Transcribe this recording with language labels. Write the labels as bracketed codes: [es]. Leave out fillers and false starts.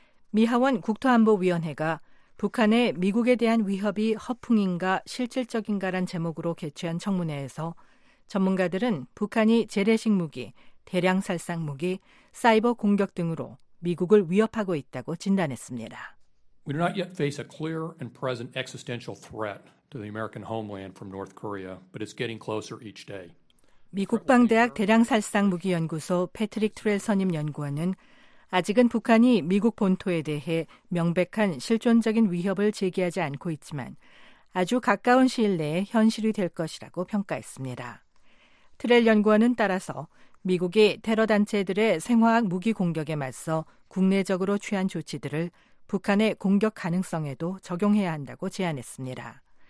[ko] 미 하원 국토안보위원회가 북한의 미국에 대한 위협이 허풍인가 실질적인가란 제목으로 개최한 청문회에서 전문가들은 북한이 재래식 무기, 대량 살상 무기, 사이버 공격 등으로 미국을 위협하고 있다고 진단했습니다. [en] We do not yet face a clear and present existential threat to the American homeland from North Korea, but it's getting closer each day. [ko] 미 국방대학 대량 살상 무기 연구소 패트릭 트렐 선임 연구원은 아직은 북한이 미국 본토에 대해 명백한 실존적인 위협을 제기하지 않고 있지만 아주 가까운 시일 내에 현실이 될 것이라고 평가했습니다. 트렐 연구원은 따라서 미국이 테러 단체들의 생화학 무기 공격에 맞서 국내적으로 취한 조치들을 북한의 공격 가능성에도 적용해야 한다고 제안했습니다.